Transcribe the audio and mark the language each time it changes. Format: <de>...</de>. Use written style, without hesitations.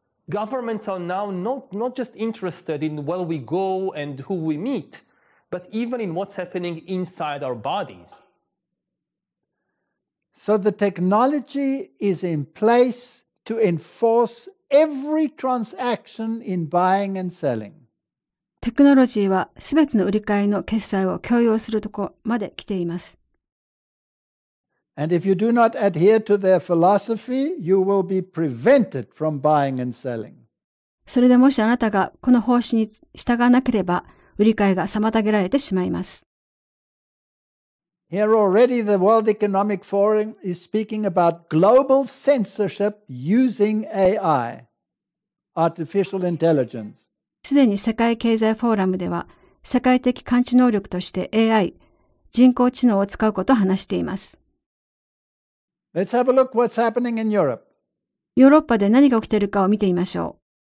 <en>Governments are now not just interested in where we go and who we meet, but even in what's happening inside our bodies. So the technology is in place to enforce every transaction in buying and selling.</en> <ja>テクノロジーはすべての売り買いの決済を強要するところまで来ています。</ja> <en>And if you do not adhere to their philosophy, you will be prevented from buying and selling.</en> <ja>それでもしあなたがこの方針に従わなければ、売り買いが妨げられてしまいます。</ja> <en>Here already the World Economic Forum is speaking about global censorship using AI, artificial intelligence.</en> <ja>すでに世界経済フォーラムでは、世界的感知能力として AI、人工知能を使うことを話しています。</ja> <en>Let's have a look what's happening in Europe.</en> <ja>ヨーロッパで何が起きているかを見てみましょう。</ja>